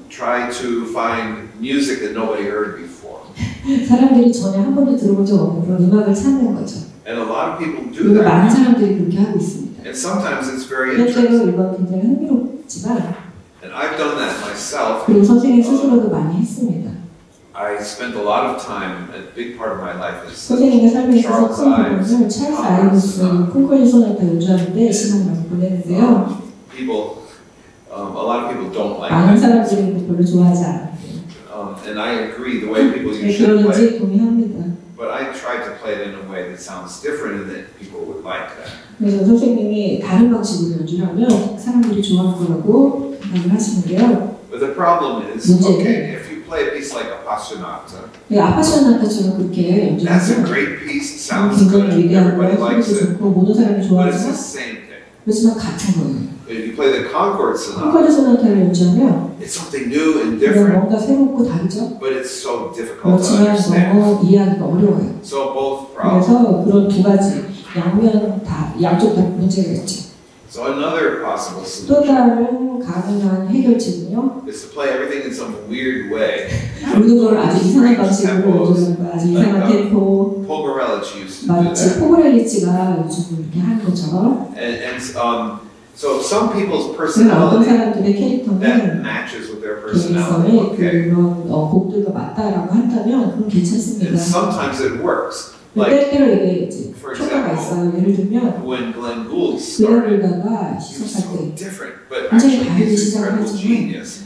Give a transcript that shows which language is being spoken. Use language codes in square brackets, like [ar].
[en] Try to find music that nobody heard before. [ko] 사람들이 전에 한 번도 들어본 적 없는 그런 음악을 찾는 거죠. [en] And a lot of people do [ko] 그리고 [en] that. [ko] 많은 사람들이 그렇게 하고 있습니다. [en] And sometimes it's very interesting. [ko] 그래서 이건 굉장히 흥미롭지만 [en] And I've done that myself. [ko] 그리고 선생님 스스로도 많이 했습니다. [en] I spent a lot of time, a big part of my life is [ko] 선생님의 삶에 있어서 큰 부분을 찰스 아이브스 콩콜리 소나타 연주하는데 시간을 많이 보냈는데요. [en] People, a lot of people don't like [ko] 많은 사람들이 별로 좋아하지 않아요. [en] and I agree the way people usually play. [ko] 동의합니다. [en] But I tried to play it in a way that sounds different and that people would like that. [ko] 그래서 선생님이 다른 방식으로 연주를 하면 사람들이 좋아할 거라고 말을 하시는데요. [en] But the problem is, [ko] 문제는, [en] okay, if you play a piece like appassionata, [ko] 예, appassionata처럼 그렇게 연주를 [en] that's a great piece, sounds good, everybody likes it, [ko] 좋고, 모든 사람이 좋아하지만, [en] but it's the same thing. [ko] 그렇지만 같은 거예요. [en] If you play the Concord Sonata, it's something new and different, but it's so difficult to understand. So both problems. [ko] 양면 다, 양쪽 다 문제겠지. [en] So another possible solution. [ko] 또 다른 가능한 해결책은요. [en] Is to play everything in some weird way. [ko] 모든 걸 아주 이상한 방식으로 연주하는 거, 아주 이상한 템포. [en] Pogorelich used to [ko] 마치 [en] do that. [ko] 포고렐리치가 요즘 이렇게 한 것처럼. [en] So some people's personality that matches with their personality. Okay. [ko] 한다면, [en] and sometimes it works. Like, for example, when Glenn Gould started, he was so different, but actually he's an incredible genius.